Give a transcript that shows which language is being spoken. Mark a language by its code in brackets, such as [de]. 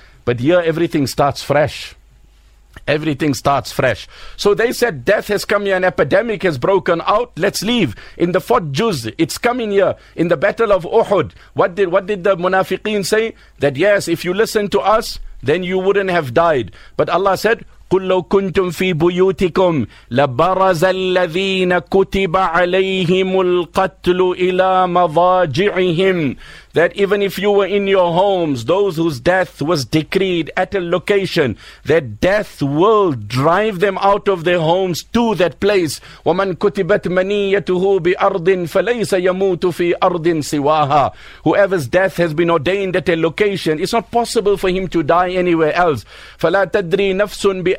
[en] But here everything starts fresh. Everything starts fresh. So they said, death has come here, an epidemic has broken out, let's leave. In the Fort Juz, it's coming here, in the Battle of Uhud. What did the Munafiqeen say? That yes, if you listen to us, then you wouldn't have died. But Allah said, [ar] قُلْ لَوْ كُنْتُمْ فِي بُيُوتِكُمْ لَبَرَزَ الَّذِينَ كُتِبَ عَلَيْهِمُ الْقَتْلُ إِلَى مَضَاجِعِهِمْ. [en] That even if you were in your homes, those whose death was decreed at a location, that death will drive them out of their homes to that place. [ar] وَمَنْ كُتِبَتْ مَنِيَّتُهُ بِأَرْضٍ فَلَيْسَ يَمُوتُ فِي أَرْضٍ سِوَاهَا. [en] Whoever's death has been ordained at a location, it's not possible for him to die anywhere else. [ar] فَلَا تَدْرِي نَفْسٌ